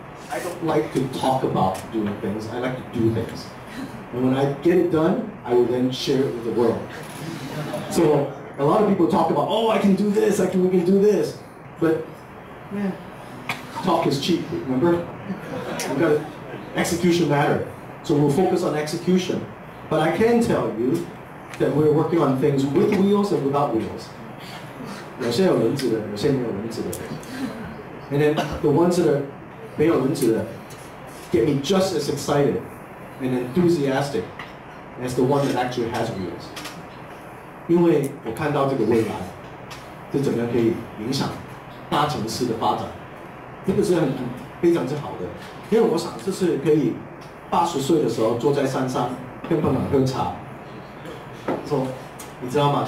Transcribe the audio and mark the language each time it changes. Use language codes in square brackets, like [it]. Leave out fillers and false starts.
[en] I don't like to talk about doing things I like to do things and when I get it done I will then share it with the world soA lot of people talk about, oh, I can do this, we can do this. But, man, talk is cheap, remember? We've got execution matter. So we'll focus on execution. But I can tell you that we're working on things with wheels and without wheels. [zh] 有些有轮子的，有些没有轮子的。 [en] And then the ones that are [zh] 没有轮子的 [en] get me just as excited and enthusiastic as the one that actually has wheels. [zh] 因为我看到这个未来，这怎么样可以影响大城市的发展？这个是很非常之好的，因为我想这是可以80岁的时候坐在山上跟朋友喝茶，说你知道吗？